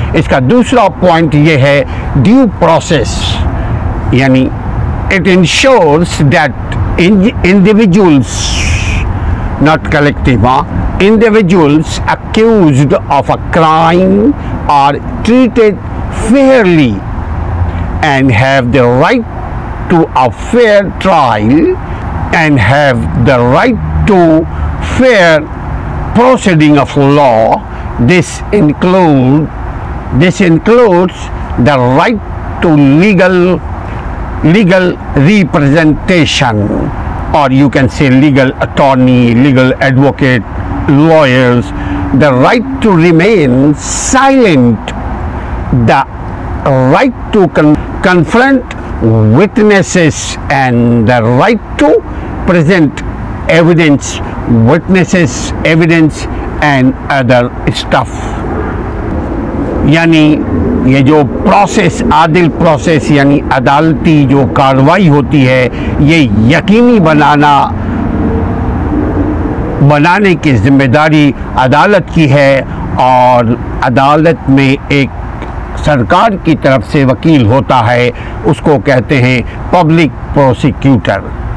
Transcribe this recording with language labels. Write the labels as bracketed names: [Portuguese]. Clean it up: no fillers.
[Urdu] اس کا دوسرا پوائنٹ یہ ہے [English] Due process, یعنی it ensures that individuals not collective individuals accused of a crime are treated fairly and have the right to a fair trial and have the right to fair proceeding of law. This includes the right to legal representation, or you can say legal attorney, legal advocate, lawyers, the right to remain silent, the right to confront witnesses, and the right to present evidence, witnesses, evidence and other stuff. [Urdu] یعنی یہ جو process عادل process یعنی عدالتی جو کاروائی ہوتی ہے یہ یقینی بنانے کی ذمہ داری عدالت کی ہے, اور عدالت میں ایک سرکار کی طرف سے وکیل ہوتا ہے, اس کو کہتے ہیں پبلک پروسیکیوٹر.